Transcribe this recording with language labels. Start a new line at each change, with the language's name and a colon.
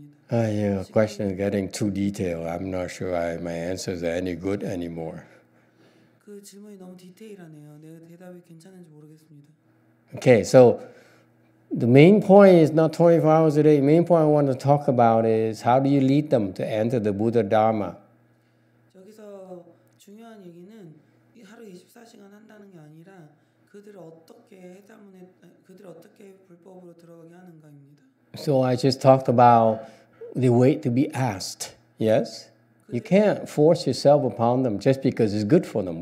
English: Your question is getting too detailed. I'm not sure my answers are any good anymore.
Korean: 그 질문이 너무 디테일하네요. 내가 대답이 괜찮은지 모르겠습니다.
English: Okay, so the main point is not 24 hours a day. The main point I want to talk about is how do you lead them to enter the Buddha Dharma?
Korean: 여기서 중요한 얘기는 하루 24시간 한다는 게 아니라 그들을 어떻게 해당하는 그들을 어떻게 불법으로 들어가게 하는가입니다.
English: So I just talked about the way to be asked. Yes? You can't force yourself upon them just because it's good for them.